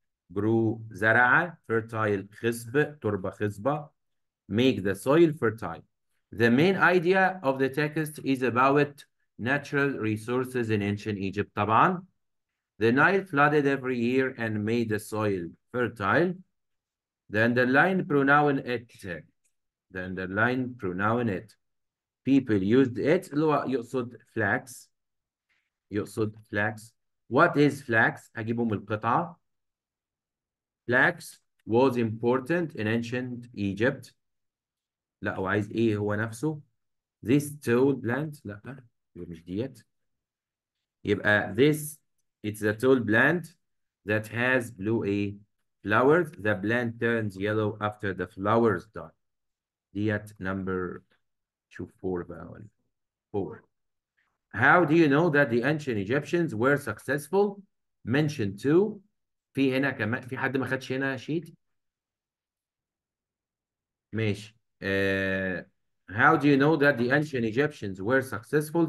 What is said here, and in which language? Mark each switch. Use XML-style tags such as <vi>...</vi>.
<ar>جرو زرع، فيرتايل خصب، تربة خصبة.</ar> <en>Make the soil fertile. The main idea of the text is about natural resources in ancient Egypt. طبعا The Nile flooded every year and made the soil fertile. The underlined pronoun it. The underlined pronoun it. People used it.</en> <ar>اللي هو يقصد flax. يقصد flax.</ar> <en>What is flax?</en> <ar>أجيبه من القطعة.</ar> <en>Flax was important in ancient Egypt.</en> <ar>لا، هو عايز إيه هو نفسه؟</ar> <en>This tall plant.</en> <ar>لا، مش ديت. يبقى</ar> <en>this. It's a tall plant that has blue ايه flowers, the plant turns yellow after the flowers die. That number</en> <ar>2 4 بقى ولا 4.</ar> <en>How do you know that the ancient Egyptians were successful? Mention two.</en> <ar>في هنا كمان في حد ما خدش هنا شيت؟ ماشي.</ar> <en>How do you know that the ancient Egyptians were successful?</en>